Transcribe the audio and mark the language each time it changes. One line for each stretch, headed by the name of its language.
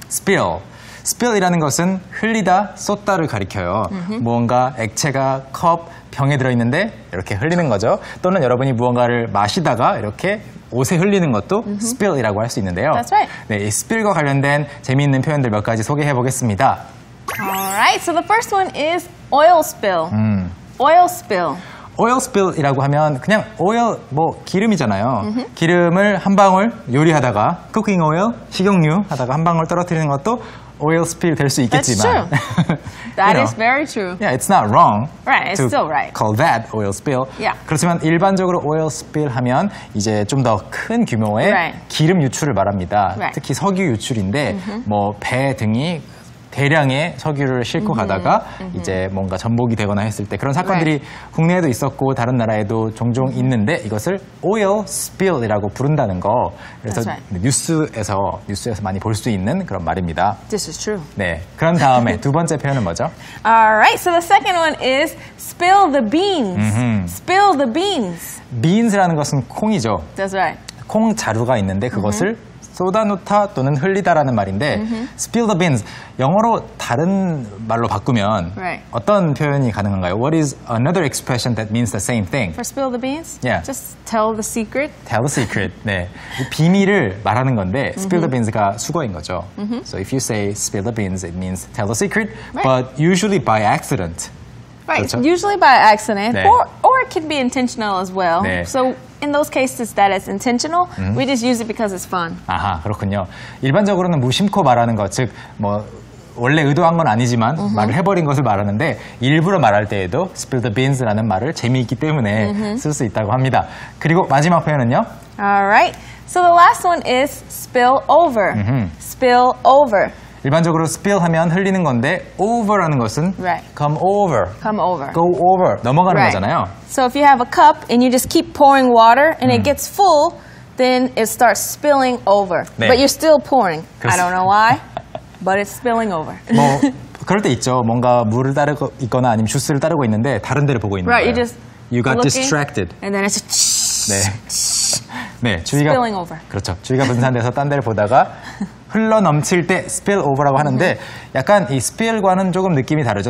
Korean: Spill. Spill이라는 것은 흘리다, 쏟다를 가리켜요. Mm-hmm. 무언가 액체가 컵, 병에 들어있는데 이렇게 흘리는 거죠. 또는 여러분이 무언가를 마시다가 이렇게 옷에 흘리는 것도 mm-hmm. spill이라고 할 수 있는데요.
English: That's right.
Korean: 네, 이 spill과 관련된 재미있는 표현들 몇 가지 소개해보겠습니다.
English: Alright, so the first one is oil spill. Oil spill.
Korean: Oil spill이라고 하면 그냥 oil, 뭐 기름이잖아요. Mm-hmm. 기름을 한 방울 요리하다가 cooking oil, 식용유 하다가 한 방울 떨어뜨리는 것도 oil spill 될 수 있겠지만
English: That's true. That you know, is very true. Yeah, it's not wrong. Right, it's still right. Call that oil spill. Yeah.
Korean: 그렇지만 일반적으로 oil spill 하면 이제 좀 더 큰 규모의
English: right.
Korean: 기름 유출을 말합니다.
English: Right.
Korean: 특히 석유 유출인데 mm-hmm. 뭐 배 등이 대량의 석유를 싣고 mm-hmm. 가다가 mm-hmm. 이제 뭔가 전복이 되거나 했을 때 그런 사건들이
English: right.
Korean: 국내에도 있었고 다른 나라에도 종종 있는데 이것을 oil spill이라고 부른다는 거 그래서
English: right.
Korean: 뉴스에서 많이 볼 수 있는 그런 말입니다.
English: This is true.
Korean: 네, 그런 다음에 두 번째 표현은 뭐죠?
English: Alright, so the second one is spill the beans. Mm-hmm. Spill the beans.
Korean: Beans라는 것은 콩이죠.
English: That's right.
Korean: 콩 자루가 있는데 그것을 mm-hmm. 쏟아놓다 또는 흘리다라는 말인데 mm-hmm. spill the beans 영어로 다른 말로 바꾸면
English: right.
Korean: 어떤 표현이 가능한가요?
English: What is another expression that means the same thing? For spill the beans? Yeah. Just tell the secret.
Korean: Tell the secret. 네. 비밀을 말하는 건데 spill mm-hmm. the beans가 수거인 거죠. Mm-hmm.
English: So if you say spill the beans it means tell the secret right. but usually by accident. Right.
Korean: 그렇죠?
English: Usually by accident
Korean: 네.
English: or it can be intentional as well.
Korean: 네.
English: So in those cases that is intentional, we just use it because it's fun.
Korean: 아하, 그렇군요. 일반적으로는 무심코 말하는 것, 즉 뭐 원래 의도한 건 아니지만 mm-hmm. 말을 해버린 것을 말하는데 일부러 말할 때에도 spill the beans라는 말을 재미있기 때문에 mm-hmm. 쓸 수 있다고 합니다. 그리고 마지막 표현은요?
English: All right. So the last one is spill over. Mm-hmm. Spill over.
Korean: 일반적으로 spill 하면 흘리는 건데 over라는 것은
English: right. come over. Come over. Go over. 넘어가는 right.
Korean: 거잖아요.
English: So if you have a cup and you just keep pouring water and it gets full, then it starts spilling over.
Korean: 네.
English: But you're still pouring.
Korean: 그렇습니다.
English: I don't know why, but it's spilling over.
Korean: 뭐 그럴 때 있죠. 뭔가 물을 따르고 있거나 아니면 주스를 따르고 있는데 다른 데를 보고 있는
English: right. Right. You just you got looking, distracted. And then it's just
Korean: 네. 네, 주위가 spilling over. 그렇죠. 주위가 분산돼서 딴 데를 보다가 흘러넘칠 때 spill over라고 하는데 약간 이 spill과는 조금 느낌이 다르죠.